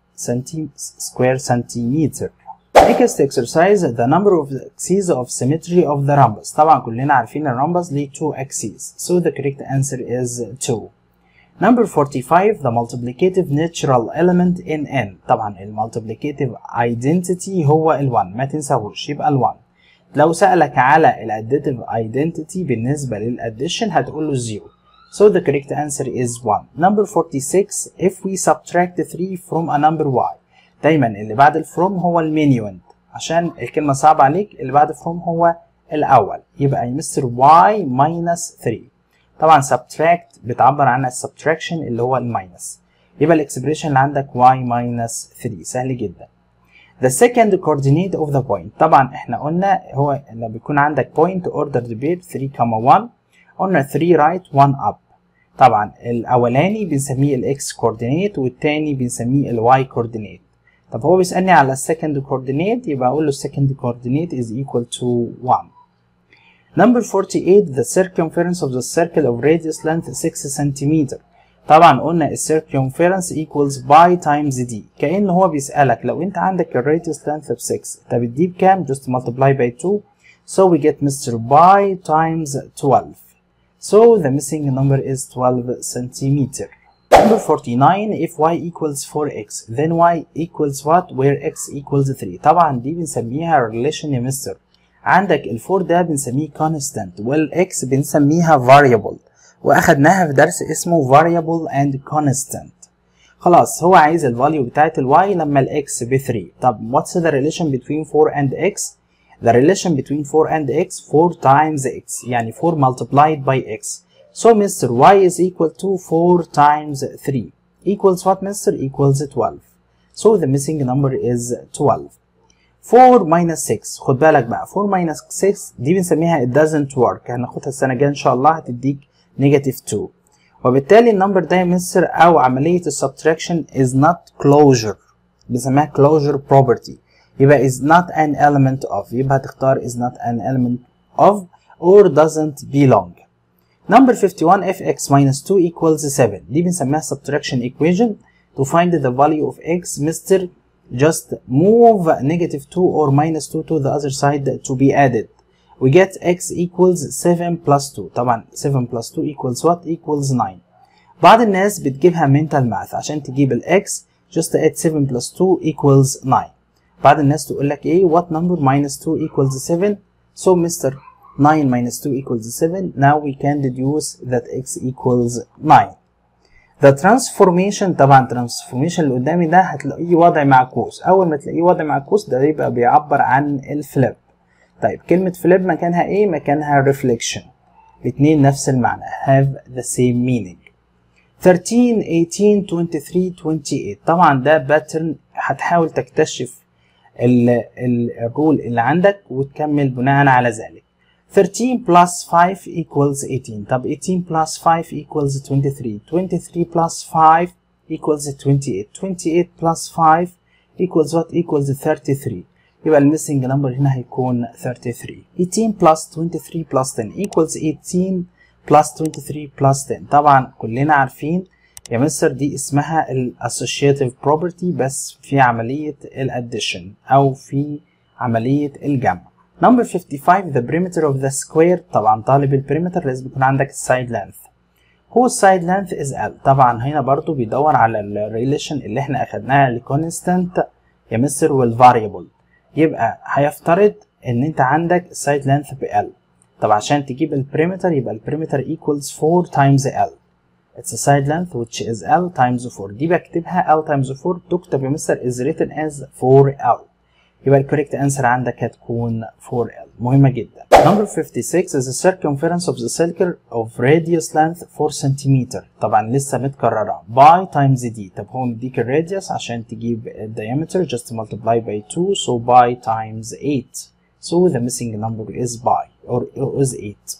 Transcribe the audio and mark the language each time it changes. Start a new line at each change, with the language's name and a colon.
English: square centimeter. Next exercise, the number of axes of symmetry of the rhombus.
Arabic: طبعا كلنا عارفين الرومبس ليه 2 axes.
English: So the correct answer is 2. Number 45, the multiplicative natural element in N.
Arabic: طبعا المultiplicative identity هو ال1. ما تنساهوش يبقى ال1. لو سألك على الadditive identity بالنسبة للaddition هتقوله 0.
English: So the correct answer is 1. Number 46, if we subtract 3 from a number y.
Arabic: دايما اللي بعد الفروم هو المينيوند عشان الكلمة صعبة عليك اللي بعد الفروم هو الأول يبقى مستر y minus 3. طبعا subtract بتعبر عن subtraction اللي هو الماينس يبقى الاكسبريشن اللي عندك y minus 3 سهل جدا.
English: The second coordinate of the point
Arabic: طبعا احنا قلنا هو اللي بيكون عندك
English: point ordered pair 3,1 قلنا 3 right 1 up.
Arabic: طبعا الأولاني بنسميه الx coordinate والتاني بنسميه الy coordinate. طب هو بيسألني على
English: second coordinate
Arabic: يبقى أقول له
English: second coordinate is equal to 1. Number 48, the circumference of the circle of radius length 6 cm.
Arabic: طبعا قلنا
English: circumference equals pi times d.
Arabic: كأن هو بيسألك لو انت عندك
English: radius length of 6 طب d بكام؟ just multiply by 2. So we get Mr. pi times 12. So the missing number is 12 cm. Number 49, if y equals 4x, then y equals what? Where x equals 3.
Arabic: طبعا دي بنسميها relation يا مستر. عندك ال 4 ده بنسميه constant والx بنسميها variable. واخدناها في درس اسمه variable and constant. خلاص هو عايز ال value بتاعت ال y لما ال x ب 3.
English: طب what's the relation between 4 and x? The relation between 4 and x, 4 times x. يعني 4 multiplied by x. So Mr. Y is equal to 4 times 3. Equals what Mr.? Equals 12. So the missing number is 12. 4 minus 6.
Arabic: خد بالك بقى
English: 4 minus 6
Arabic: دي بنسميها
English: it doesn't work.
Arabic: هناخدها السنة الجاية إن شاء الله هتديك negative 2. وبالتالي النمبر ده Mr.
English: أو عملية subtraction is not closure.
Arabic: بنسميها
English: closure property. يبقى is not an element of.
Arabic: يبقى هتختار
English: is not an element of or doesn't belong. Number 51, fx minus 2 equals 7. دي بنسميها subtraction equation. To find the value of x, Mr. just move negative 2 or minus 2 to the other side to be added. We get x equals 7 plus 2. طبعا 7 plus 2 equals what? Equals 9.
Arabic: بعض الناس بتجيبها
English: mental math
Arabic: عشان تجيب ال
English: x just add 7 plus 2 equals 9.
Arabic: بعض الناس تقول لك ايه
English: what number minus 2 equals 7? So Mr. 9 minus 2 equals 7. Now we can deduce that x equals 9. The transformation,
Arabic: طبعا transformation اللي قدامي ده هتلاقيه وضع معكوس. أول ما تلاقيه وضع معكوس ده يبقى بيعبر عن الفليب. طيب كلمة فليب مكانها ايه؟ مكانها reflection. الاتنين نفس المعنى.
English: Have the same meaning.
Arabic: 13, 18, 23, 28. طبعا ده pattern هتحاول تكتشف الرول اللي عندك وتكمل بناء على ذلك.
English: 13 plus 5 equals 18. طب 18 plus 5 equals 23. 23 plus 5 equals 28. 28 plus 5 equals what? Equals 33.
Arabic: يبقى missing number هنا هيكون 33.
English: 18 plus 23 plus 10 equals 18 plus 23 plus 10.
Arabic: طبعا كلنا عارفين يا مستر دي اسمها الassociative property بس في عملية الaddition أو في عملية الجمع.
English: Number 55, the perimeter of the square.
Arabic: طبعا طالب البريمتر لازم يكون عندك side length.
English: Whose side length is L?
Arabic: طبعا هنا برضو بيدور على ال relation اللي احنا اخدناها ال constant يا مستر وال variable. يبقى هيفترض ان انت عندك side length ب L. طب عشان تجيب البريمتر يبقى البريمتر equals 4 times L.
English: It's a side length which is L times 4.
Arabic: دي بكتبها
English: L times 4
Arabic: تكتب يا مستر
English: is written as 4L.
Arabic: يبقى الكوريكت انسر عندك هتكون 4L مهمة جدا.
English: Number 56 is the circumference of the circle of radius length 4 cm
Arabic: طبعا لسه متكررة
English: by times d.
Arabic: طب هون ديك الراديوس عشان تجيب الديامتر
English: just multiply by 2 so by times 8 so the missing number is by or is 8.